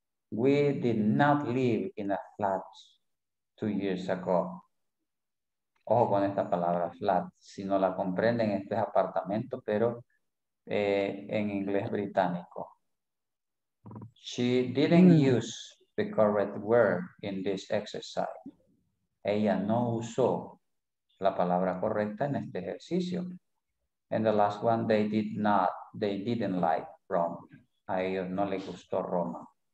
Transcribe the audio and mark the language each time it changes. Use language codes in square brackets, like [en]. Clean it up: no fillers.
[en] We did not live in a flat 2 years ago. [es] Ojo con esta palabra, flat. Si no la comprenden, este es apartamento, pero en inglés británico. [en] She didn't use the correct word in this exercise. [es] Ella no usó la palabra correcta en este ejercicio. [en] And the last one, they didn't like Rome. [es] a ellos no les gustó Roma.